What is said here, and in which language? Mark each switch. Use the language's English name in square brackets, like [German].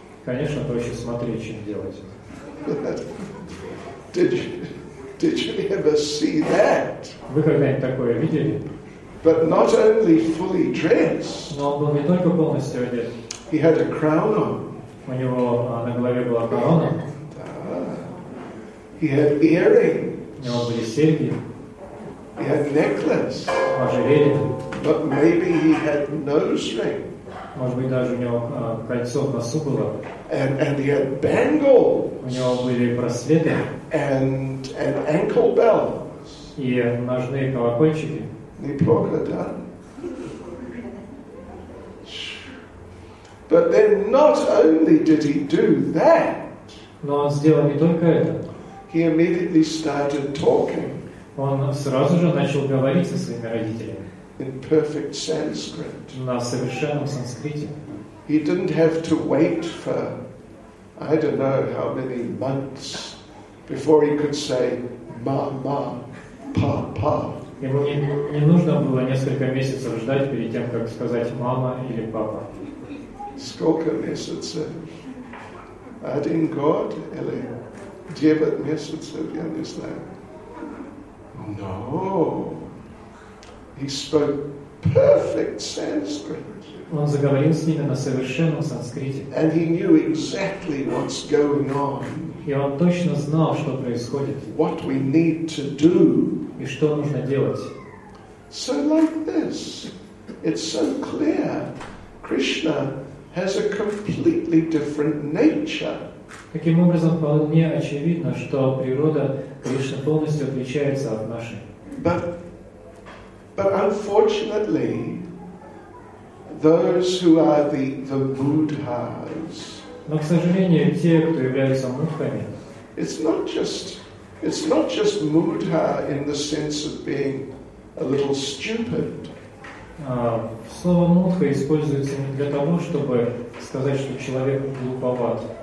[Russian] Конечно, проще смотреть, чем делать. [English] Did you ever see that? [Russian] Вы когда-нибудь такое видели? [English] But not only fully dressed. [Russian] Но он был не только полностью одет. [English] He had a crown on. [Russian] У него на голове была корона. [English] He had earrings. [Russian] У него были серьги. [English] He had necklace. [Russian] Ожерелье. [English] But maybe he had nose ring. [Russian] Может быть, даже у него кольцо в носу было. [English] And he had bangles. [Russian] У него были браслеты. [English] And an ankle bells. [Russian] И ножные колокольчики. Неплохо, да? [English] But then not only did he do that. [Russian] Но он сделал не только это. [English] He immediately started talking. [Russian] Он сразу же начал говорить со своими родителями. [English] In perfect Sanskrit. [Russian] На совершенном санскрите. [English] He didn't have to wait for, I don't know how many months, before he could say, ma ma, pa pa. [Russian] Ему не нужно было несколько месяцев ждать перед тем, как сказать мама или папа. Сколько месяцев? Один год или 9 месяцев? Я не знаю. No. [English] He spoke perfect Sanskrit. [Russian] Он заговорил с ними на совершенном санскрите. [English] And he knew exactly what's going on. [Russian] И он точно знал, что происходит. [English] What we need to do. [Russian] И что нужно делать. [English] So like this, it's so clear. Krishna has a completely different nature. [Russian] Таким образом, вполне очевидно, что природа Кришны полностью отличается от нашей. [English] But unfortunately, those who are the mudhas. [Russian] Но, к сожалению, те, кто являются мудхами. [English] It's not just mudha in the sense of being a little stupid. [Russian] Слово мудха используется не для того, чтобы сказать, что человек глуповат.